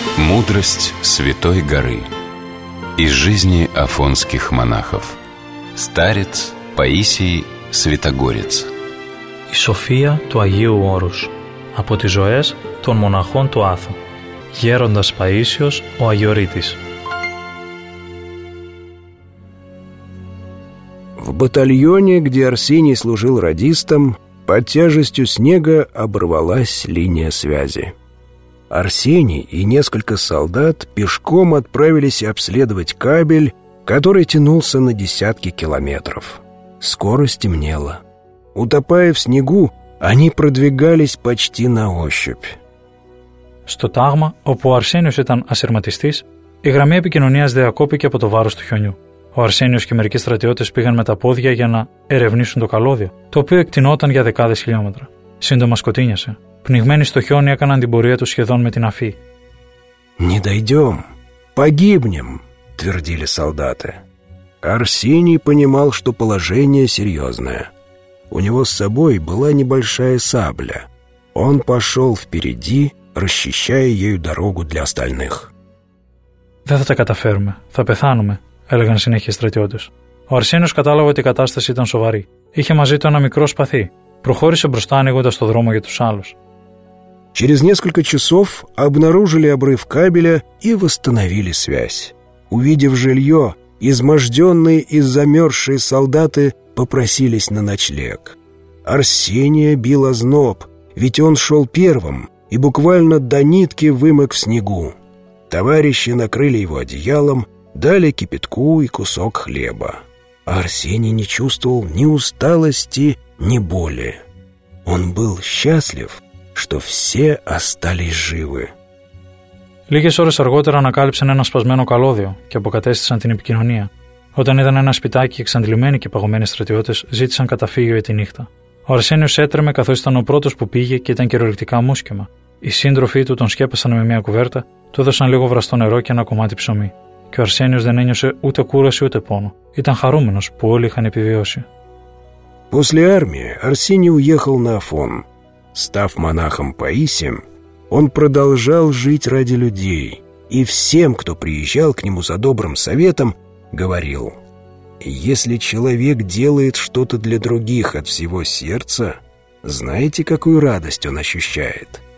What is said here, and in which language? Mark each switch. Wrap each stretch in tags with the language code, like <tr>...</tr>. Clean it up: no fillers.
<ru>Мудрость Святой Горы из жизни афонских монахов. Старец Паисий Святогорец.</ru> <el>Η σοφία του Αγίου Όρους από τις ζωές των μοναχών του Άθου. Γέροντας Παΐσιος, ο Αγιορείτης.</el> <ru>В батальоне, где Арсений служил радистом, под тяжестью снега оборвалась линия связи. Арсений и несколько солдат пешком отправились обследовать кабель, который тянулся на десятки километров. Скоро стемнело. Утопая в снегу, они продвигались почти на ощупь.</ru> <el>Στο τάγμα, όπου ο Αρσένιος ήταν ασυρματιστής, η γραμμή επικοινωνίας διακόπηκε από το βάρος του χιονιού. Ο Αρσένιος και μερικοί στρατιώτες πήγαν με τα πόδια για να ερευνήσουν το καλώδιο, το οποίο εκτινόταν για δεκάδες χιλιόμετρα. Σύντομα σκοτίνιασε. Πνιγμένοι στο χιόνι έκαναν την πορεία τους σχεδόν με την αφή.</el> <ru>«Не дойдем, погибнем», твердили солдаты. Арсений понимал, что положение серьезное. У него с собой была небольшая сабля. Он пошел впереди, расчищая ею дорогу для остальных.</ru> <el>«Δεν θα τα καταφέρουμε, θα πεθάνουμε», έλεγαν συνέχεια οι στρατιώτες. Ο Αρσένιος κατάλαβε ότι η κατάσταση ήταν σοβαρή. Είχε μαζί του ένα μικρό σπαθί. Προχώρησε μπροστά, ανοίγοντας το δρόμο για τους άλλους.</el> <ru>Через несколько часов обнаружили обрыв кабеля и восстановили связь. Увидев жилье, изможденные и замерзшие солдаты попросились на ночлег. Арсения бил озноб, ведь он шел первым и буквально до нитки вымок в снегу. Товарищи накрыли его одеялом, дали кипятку и кусок хлеба. А Арсений не чувствовал ни усталости, ни боли. Он был счастлив, что все остались живы.</ru> <el>Λίγες ώρες αργότερα ανακάλυψαν ένα σπασμένο καλώδιο και αποκατέστησαν την επικοινωνία. Όταν είδαν ένα σπιτάκι, εξαντλημένοι και παγωμένοι στρατιώτες ζήτησαν καταφύγιο για τη νύχτα. Ο Αρσένιος έτρεμε καθώς ήταν ο πρώτος που πήγε και ήταν κυριολεκτικά μουσκεμα. Οι σύντροφοί του τον σκέπασαν με μια κουβέρτα, του έδωσαν λίγο βραστό νερό και ένα κομμάτι ψωμί. Και ο Αρσένιος δεν ένιωσε ούτε κούραση ούτε πόνο. Ήταν χαρούμενος που όλοι είχαν επιβιώσει.</el> <ru>После армии Арсений уехал на Афон. Став монахом Паисием, он продолжал жить ради людей, и всем, кто приезжал к нему за добрым советом, говорил: «Если человек делает что-то для других от всего сердца, знаете, какую радость он ощущает?</ru>